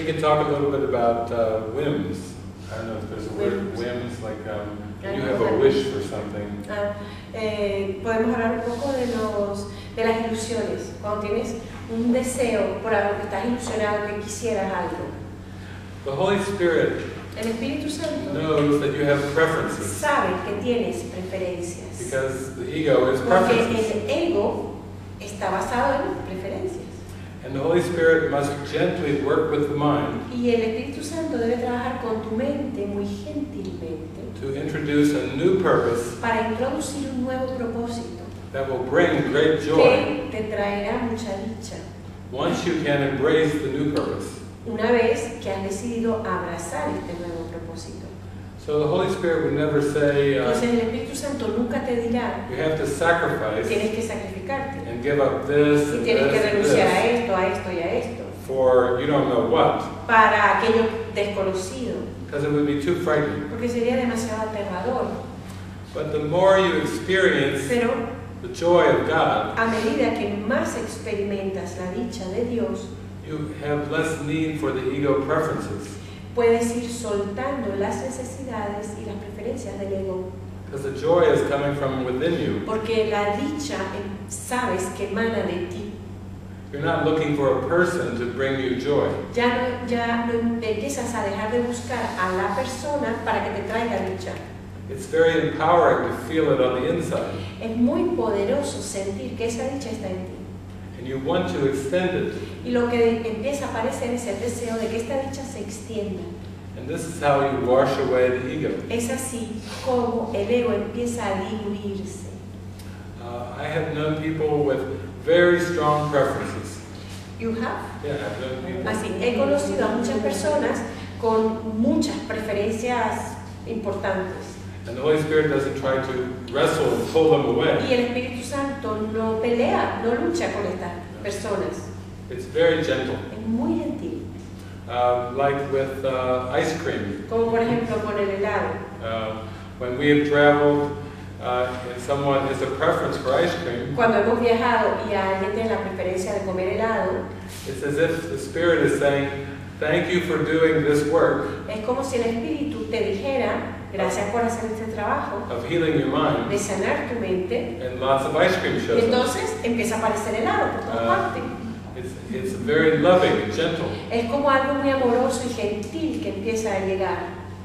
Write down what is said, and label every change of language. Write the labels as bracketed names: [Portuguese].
[English] We can talk a little bit about whims. I don't know if there's a word, whims, like you have a wish for something. [Spanish] Podemos hablar un poco de las ilusiones, cuando tienes un deseo por algo que estás ilusionado, que quisieras algo. [English] The Holy Spirit [Spanish] el Espíritu Santo [English] knows that you have preferences. [Spanish] Sabe que tienes preferencias. [English] Because the ego is preferences. [Spanish] Porque el ego está basado en preferencias. [English] And the Holy Spirit must gently work with the mind. [Spanish] Y el Espíritu Santo debe trabajar con tu mente muy gentilmente. [English] To introduce a new purpose. [Spanish] Para introducir un nuevo propósito. [English] That will bring great joy. [Spanish] Que te traerá mucha dicha. [English] Once you can embrace the new purpose. [Spanish] Una vez que has decidido abrazar este nuevo propósito. [English] So the Holy Spirit would never say. [Spanish] Entonces el Espíritu Santo nunca te dirá. [English] You have to sacrifice. [Spanish] Tienes que sacrificarte. [English] And give up this. [Spanish] Y tienes que renunciar a esto, a esto y a esto. [English] For you don't know what. [Spanish] Para aquello desconocido. [English] Because it would be too frightening. [Spanish] Porque sería demasiado aterrador. [English] But the more you experience. [Spanish] Pero [English] the joy of God. [Spanish] A medida que más experimentas la dicha de Dios. [English] You have less need for the ego preferences. [Spanish] Puedes ir soltando las necesidades y las preferencias del ego. [English] Because the joy is coming from within you. [Spanish] Porque la dicha sabes que emana de ti. [English] You're not looking for a person to bring you joy. [Spanish] Ya no empiezas a dejar de buscar a la persona para que te traiga dicha. [English] It's very empowering to feel it on the inside. [Spanish] Es muy poderoso sentir que esa dicha está en ti. [English] And you want to extend it. [Spanish] Y lo que empieza a aparecer es el deseo de que esta dicha se extienda. [English] And this is how you wash away the ego. [Spanish] Es así como el ego empieza a diluirse. [English] I have known people with very strong preferences. You have? Yeah, I've known people. [Spanish] Así, he conocido a muchas personas con muchas preferencias importantes. [English] And the Holy Spirit doesn't try to wrestle and pull them away. [Spanish] Y el Espíritu Santo no pelea, no lucha con estas personas. [English] It's very gentle. [Spanish] Es muy gentil. [English] Like with ice cream. [Spanish] Como por ejemplo con el helado. [English] When we have traveled, someone has a preference for ice cream, [Spanish] cuando hemos viajado y alguien tiene la preferencia de comer helado, [English] it's as if the spirit is saying, thank you for doing this work. [Spanish] Es como si el espíritu te dijera, gracias por hacer este trabajo. [English] Of healing your mind. [Spanish] De sanar tu mente. [English] And lots of ice cream shows. [Spanish] Y entonces empieza a aparecer helado por todas partes. [English] It's very loving and gentle. [Spanish] Es como algo muy amoroso y gentil que empieza a llegar.